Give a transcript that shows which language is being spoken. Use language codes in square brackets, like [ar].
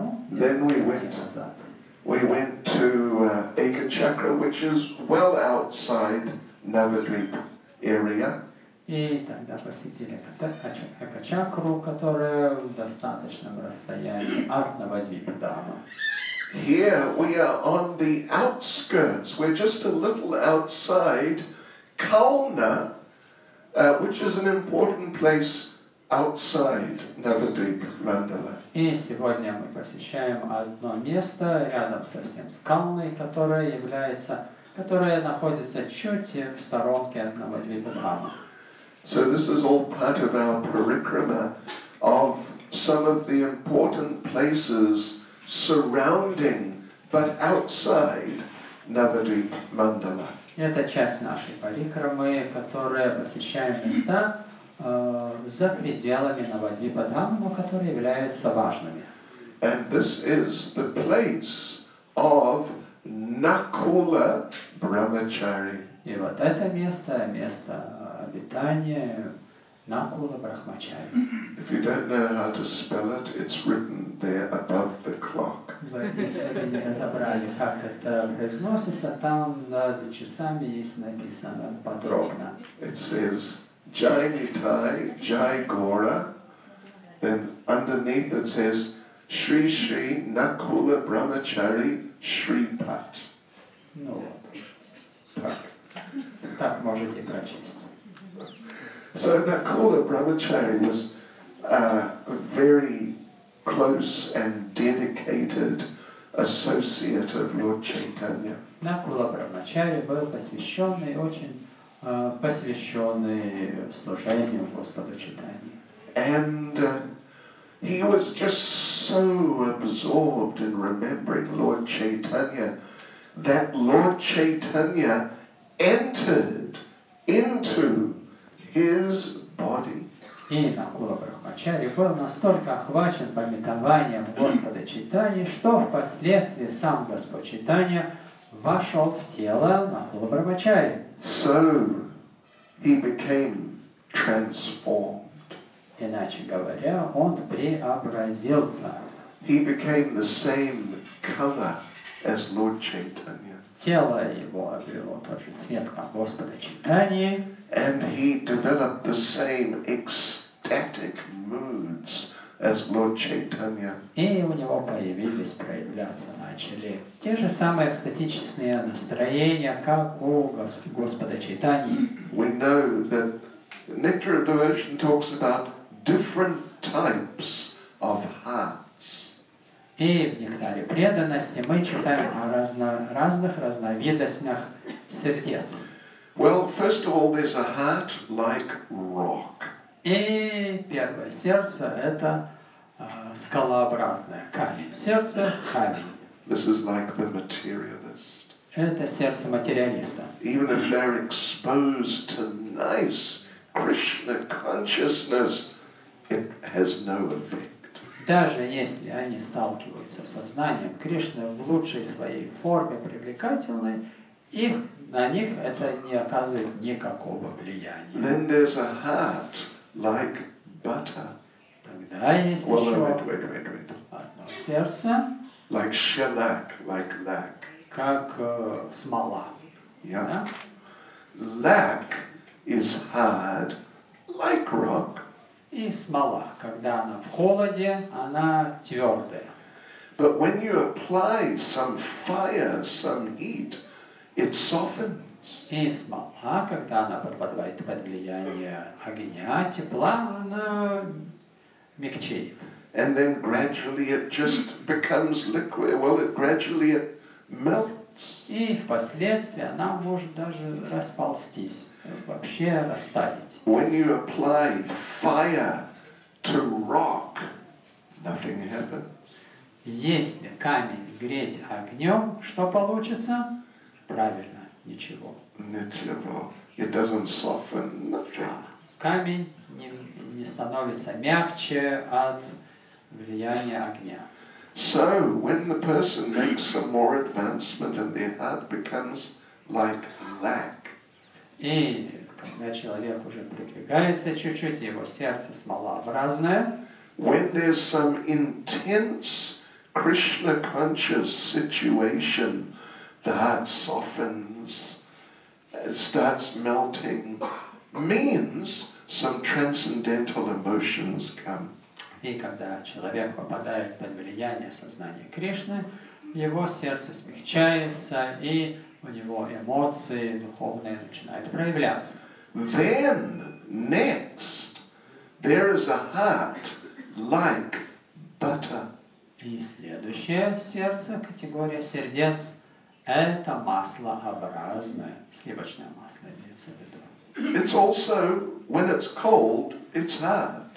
[en] Then we went to Ekachakra, which is well outside Navadvip area. [ru] И тогда посетили Экачакру, которая в достаточном расстоянии от Навадвипа-дхамы. [en] Here we are on the outskirts. We're just a little outside Kalna, which is an important place outside Navadvip-мандала. [ru] И сегодня мы посещаем одно место рядом совсем с Калной, которое находится чуть в сторонке от Навадвипа-дхамы. [en] So this is all part of our parikrama of some of the important places surrounding but outside Navadvip Mandala. [ru] Это часть нашей парикрамы, которая посещает места за пределами Навадвипа Дхамы, но которые являются важными. [en] And this is the place of Nakula Brahmachari. [ru] И вот это место обитания Накула Брахмачари. [en] If you don't know how to spell it, it's written there above the clock. [ru] Если вы не разобрали, как это произносится, там над часами есть написано подробно. [en] It says Jai Nitai, Jai Gora. Then underneath it says Shri Shri Nakula Brahmachari Shri Pat. [ru] Ну вот. Так можете прочесть. [en] So Nakula Brahmachari was very close and dedicated associate of Lord Chaitanya. [ru] Nakula Brahmachari был посвященный, очень посвященный служению Господу Чайтанье. [en] And he was just so absorbed in remembering Lord Chaitanya that Lord Chaitanya entered into his body. [ru] И Накула Брахмачари был настолько охвачен памятованием Господа Чайтаньи, что впоследствии сам Господь Чайтанья вошел в тело Накула Брахмачари. [en] So he became transformed. [ru] Иначе говоря, он преобразился. [en] He became the same color as Lord Chaitanya. [ru] Тело его обрело тот же цвет, как Господа Чайтаньи. [en] And he developed the same ecstatic moods as Lord Chaitanya. [ru] И у него появились, проявляться начали те же самые экстатические настроения, как у Господа Чайтаньи. [en] We know that Nectar of Devotion talks about different types of hearts. [ru] И в Нектаре преданности мы читаем о разных разновидностях сердец. [en] Well, first of all, there's a heart like rock. [ru] И первое сердце – это скалообразное, камень. Сердце – камень. [en] This is like the materialist. [ru] Это сердце материалиста. [en] Even if they're exposed to nice Krishna consciousness, it has no effect. [ru] Даже если они сталкиваются с сознанием Кришны в лучшей своей форме, привлекательной, их, на них это не оказывает никакого влияния. [en] Then there's a heart like butter. [ru] Тогда есть одно сердце. [en] Like shellac, like lac. [ru] Как смола. [en] Yeah. [ru] Да? [en] lack is hard like rock. [ru] И смола, когда она в холоде, она твердая. [en] But when you apply some fire, some heat, it softens. [ru] И смола, когда она попадает под влияние огня, тепла, она мягчеет. [en] And then gradually it just becomes liquid. Well, it gradually it melts. [ru] И впоследствии она может даже расползтись, вообще растаять. When you apply fire to rock, nothing happens. Если камень греть огнем, что получится? Правильно, ничего. Ничего. [en] It doesn't soften nothing. [ru] Камень не становится мягче от влияние огня. [en] So when the person makes some more advancement and their heart becomes like lack. [ru] И когда человек уже продвигается чуть-чуть, его сердце смолообразное. [en] When there's some intense Krishna conscious situation, the heart softens, starts melting, means some transcendental emotions come. [ru] И когда человек попадает под влияние сознания Кришны, его сердце смягчается, и у него эмоции духовные начинают проявляться. [en] Then, next, there is a heart like butter. [ru] И следующее сердце, категория сердец, это маслообразное, сливочное масло имеется в виду. [en] It's also, when it's cold, it's hard.